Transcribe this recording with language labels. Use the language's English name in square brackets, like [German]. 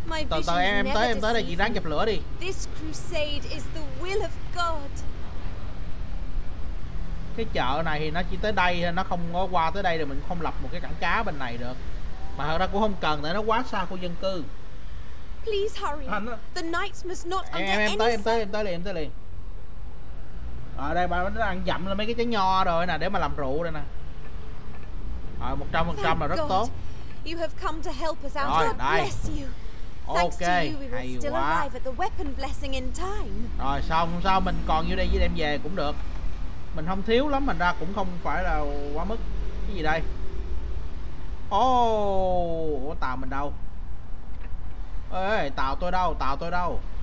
[Vietnamese] Từ từ em tới đây, chị ráng dập lửa đi. [English] This crusade is the will of God. [Vietnamese] Cái chợ này thì nó chỉ tới đây, nó không có qua tới đây thì mình không lập một cái cảng cá bên này được. Mà thật ra cũng không cần, tại nó quá xa khu dân cư. [English] Please hurry. The knights must not under any. [Vietnamese] Em tới liền. Ở đây bà nó ăn dặm là mấy cái trái nho rồi nè, để mà làm rượu đây nè. Rồi 100% là rất tốt. [English] You have come to help us out. [Vietnamese] Rồi, [English] God bless you. Okay. Thanks to you, we will still arrive at the weapon blessing in time. [Vietnamese] Rồi xong, sao mình còn vô đây với đem về cũng được. Mình không thiếu lắm, mình ra cũng không phải là quá mức. Cái gì đây? Oh, ủa tàu mình đâu? Ê, tàu tôi đâu?